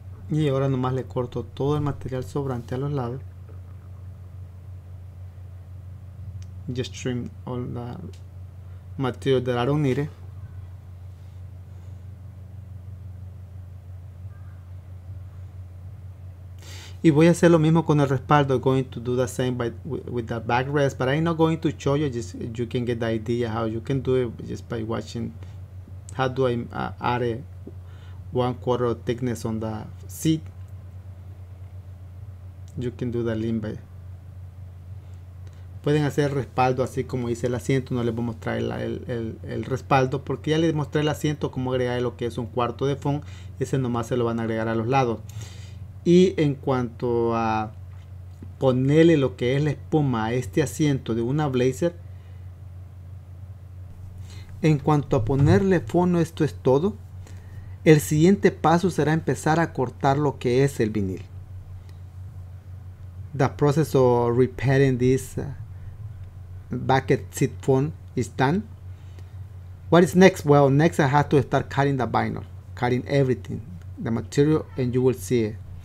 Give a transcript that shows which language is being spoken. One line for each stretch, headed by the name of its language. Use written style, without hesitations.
Spanish: Y ahora nomás le corto todo el material sobrante a los lados.
English: Just trim all the material that I don't need it.
Spanish: Y voy a hacer lo mismo con el respaldo.
English: I'm going to do the same with the backrest, but I'm not going to show you. Just you can get the idea how you can do it just by watching how do I add it. 1/4 thickness on the seat. You can do the limber.
Spanish: Pueden hacer respaldo así como hice el asiento. No les voy a mostrar el respaldo porque ya les mostré el asiento, cómo agregar lo que es 1/4 de foam. Ese nomás se lo van a agregar a los lados. Y en cuanto a ponerle lo que es la espuma a este asiento de una Blazer, en cuanto a ponerle fondo, esto es todo. El siguiente paso será empezar a cortar lo que es el vinil.
English: The process of repairing this bucket seat foam is done. What is next? Well, next I have to start cutting the vinyl, cutting everything, the material, and you will see it.